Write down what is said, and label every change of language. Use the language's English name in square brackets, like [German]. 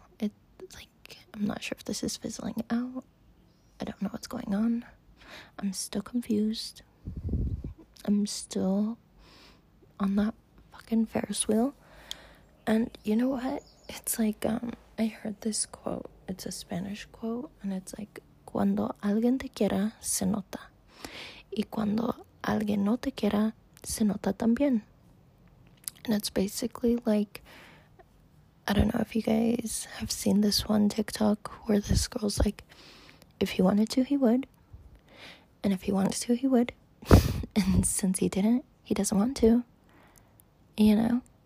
[English] It's like, I'm not sure if this is fizzling out. I don't know what's going on. I'm still confused. I'm still on that fucking Ferris wheel. And you know what? It's like, I heard this quote. It's a Spanish quote. [Spanish] And it's like, cuando alguien te quiera, se nota. Y cuando alguien no te quiera, se nota también. [English] And it's basically like, I don't know if you guys have seen this one TikTok where this girl's like, if he wanted to, he would. And if he wanted to, he would. And since he didn't, he doesn't want to. You know?